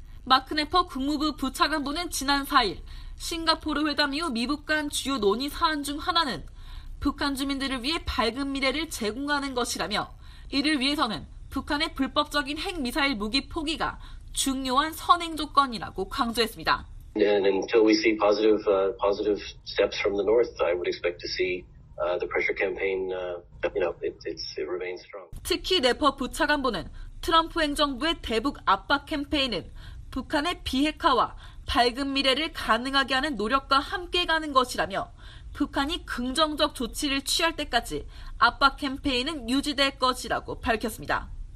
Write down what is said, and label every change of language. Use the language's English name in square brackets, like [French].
[Korean] 마크 네퍼 국무부 부차관보는 지난 4일 싱가포르 회담 이후 미북 간 주요 논의 사안 중 하나는 북한 주민들을 위해 밝은 미래를 제공하는 것이라며 이를 위해서는 북한의 불법적인 핵미사일 무기 포기가 중요한 선행 조건이라고 강조했습니다. [English] And until we see positive steps from the North, I would expect to see the pressure campaign, it remains strong. [Korean] 특히 네퍼 부차관보는 트럼프 행정부의 대북 압박 캠페인은 북한의 비핵화와 밝은 미래를 가능하게 하는 노력과 함께 가는 것이라며 북한이 긍정적 조치를 취할 때까지 압박 캠페인은 유지될 것이라고 밝혔습니다.